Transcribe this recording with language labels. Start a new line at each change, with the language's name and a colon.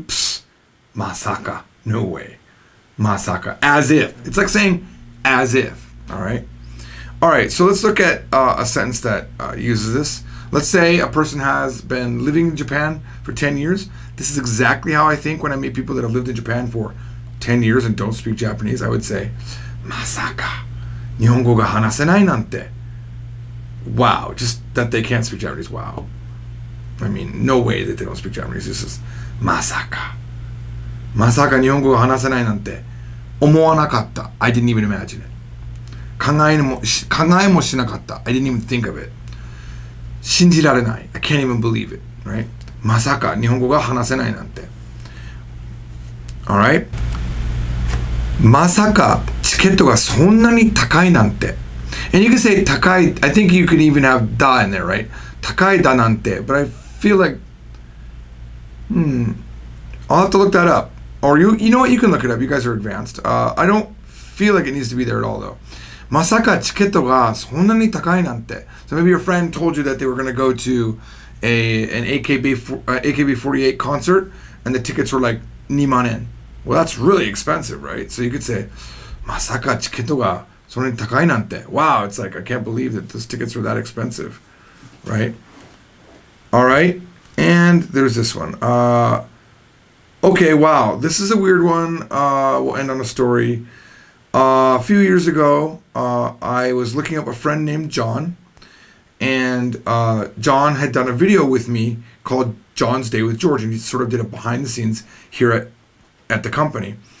English: Psst, masaka, no way, masaka, as if. It's like saying, as if, all right? All right, so let's look at a sentence that uses this. Let's say a person has been living in Japan for 10 years. This is exactly how I think when I meet people that have lived in Japan for 10 years and don't speak Japanese. I would say, masaka,
Japanese: 日本語が話せないなんて.
English: Wow, just that they can't speak Japanese, wow. I mean, no way that they don't speak Japanese. This is, masaka.
Japanese: Masaka 日本語が話せないなんて. 思わなかった。
English: I didn't even imagine it.
Japanese: 考えもしなかった。
English: I didn't even think of it.
Japanese: 信じられない。
English: I can't even believe it. Right?
Japanese: まさか日本語が話せないなんて。
English: Alright?
Japanese: まさかチケットがそんなに高いなんて。
English: And you can say 高い。 I think you can even have だ in there, right?
Japanese: 高いだなんて。
English: But I feel like... I'll have to look that up. Or you know what? You can look it up. You guys are advanced. I don't feel like it needs to be there at all, though.
Japanese: まさかチケットがそんなに高いなんて。
English: So maybe your friend told you that they were going to go to an AKB48 concert, and the tickets were like 2万円. Well, that's really expensive, right? So you could say,
Japanese: まさかチケットがそんなに高いなんて。
English: Wow, it's like, I can't believe that those tickets were that expensive, right? All right, and there's this one. Okay, wow, this is a weird one. We'll end on a story. A few years ago, I was looking up a friend named John, and John had done a video with me called John's Day with George, and he sort of did a behind the scenes here at the company.